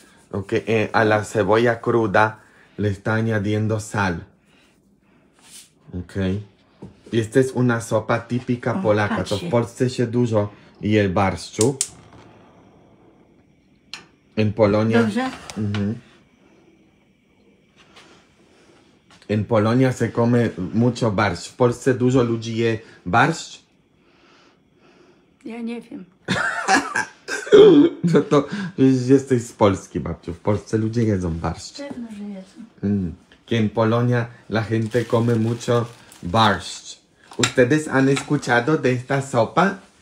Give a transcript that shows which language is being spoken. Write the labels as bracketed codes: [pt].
[es] Ok, a la cebolla cruda le está añadiendo sal. Ok. Y esta es una sopa típica [pl] O, [es] polaca. [pl] To w patrzcie. Polsce się dużo je barszczu. [es] En Polonia. [pl] Dobrze? [es] En Polonia se come mucho barszcz. [pl] W Polsce dużo ludzi je barszcz. Ja nie wiem. No to jesteś z Polski, babciu. W Polsce ludzie jedzą barszcz. Pewno, że jedzą. [es] Que en Polonia la gente come mucho barszcz. ¿Ustedes han escuchado de esta sopa?